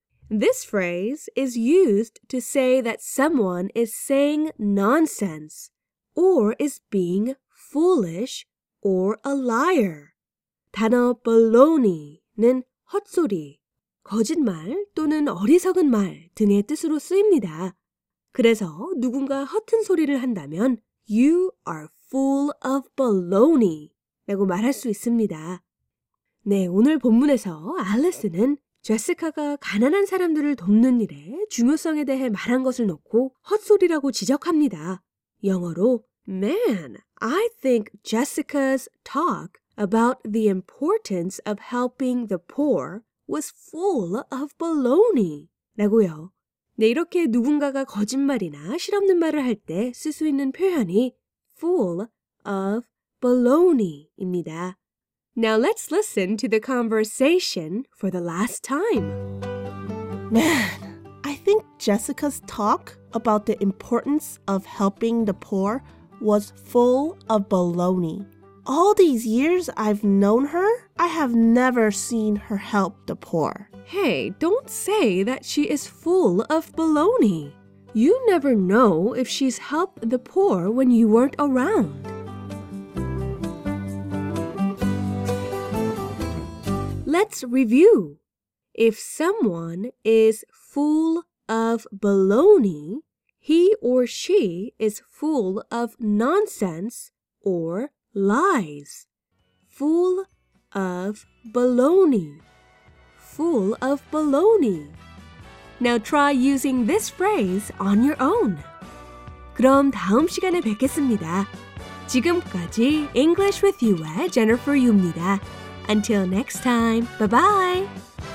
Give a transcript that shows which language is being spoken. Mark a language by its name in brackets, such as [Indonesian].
[English] This phrase is used to say that someone is saying nonsense or is being foolish or a liar. [Korean] 단어 baloney는 헛소리, 거짓말 또는 어리석은 말 등의 뜻으로 쓰입니다. 그래서 누군가 허튼 소리를 한다면 [English] You are full of baloney [Korean] 라고 말할 수 있습니다. 네, 오늘 본문에서 알리스는 제시카가 가난한 사람들을 돕는 일의 중요성에 대해 말한 것을 놓고 헛소리라고 지적합니다. 영어로 [English] Man, I think Jessica's talk about the importance of helping the poor was full of baloney [Korean] 라고요. 네, 이렇게 누군가가 거짓말이나 실없는 말을 할 때 쓸 수 있는 표현이 [English] full of baloney [Korean] 입니다. [English] Now let's listen to the conversation for the last time. Man, I think Jessica's talk about the importance of helping the poor was full of baloney. All these years I've known her, I have never seen her help the poor. Hey, don't say that she is full of baloney. You never know if she's helped the poor when you weren't around. 'Let's review. If someone is full of baloney, he or she is full of nonsense or lies. Full of baloney. Full of baloney. Now try using this phrase on your own. [Korean] 그럼 다음 시간에 뵙겠습니다. 지금까지 English with You의 Jennifer Yu입니다. [English] Until next time, bye-bye!